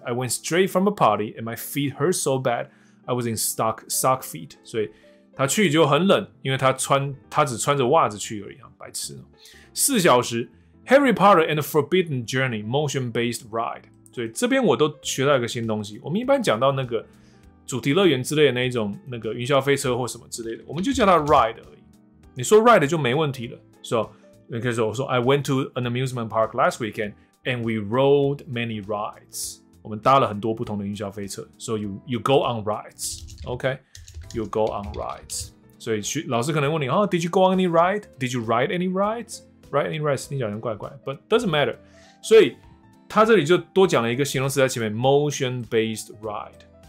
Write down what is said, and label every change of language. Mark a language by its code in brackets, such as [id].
[en] I went straight from a party and my feet hurt so bad I was in sock feet， [zh] 所以他去就很冷，因为他只穿着袜子去而已啊，白痴。4小时。 Harry Potter and the Forbidden Journey motion-based ride， 所以这边我都学到一个新东西。我们一般讲到那个主题乐园之类的那一种那个云霄飞车或什么之类的，我们就叫它 ride 而已。你说 ride 就没问题了，是吧？ [en] Because also, I went to an amusement park last weekend and we rode many rides. [zh] 我们搭了很多不同的云霄飞车。 [en] So you go on rides. Okay? You go on rides. [zh] 所以老师可能问你、 [en] oh, Did you go on any ride? Did you ride any rides? Ride any rides? [zh] 听起来很怪怪。 [en] But doesn't matter. [zh] 所以他这里就多讲了一个形容词在前面 [en] Motion based ride.